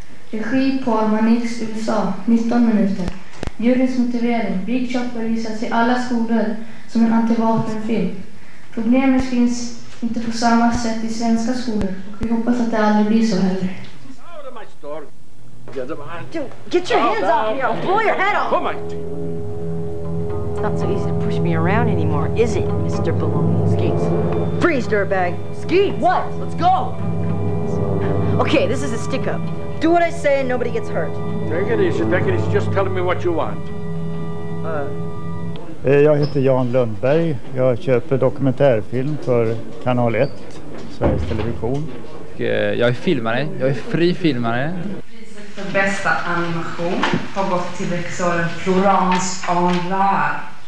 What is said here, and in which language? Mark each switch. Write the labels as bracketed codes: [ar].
[sv] Regi Paul Manix, USA, 19 minuter. Juryns motivering. Big Shot bör visas i alla skolor som en antivapenfilm. Problemet finns inte på samma sätt i svenska skolor. Och vi hoppas att det aldrig blir så heller. [en] Dude, get your hands off me! I'll blow your head off! Oh my. It's not so easy to push me around anymore, is it, Mr. Baloney? Skeets. Freeze, dirtbag! Skeets! What? Let's go! Okay, this is a stick-up. Do what I say and nobody gets hurt. Take it easy, take it easy. Just tell me what you want. [sv] Jag heter Jan Lundberg. Jag köper dokumentärfilm för Kanal 1, Sveriges Television. Jag är filmare. Jag är fri filmare. Priset för bästa animation har gått till regissören Florence Anglar.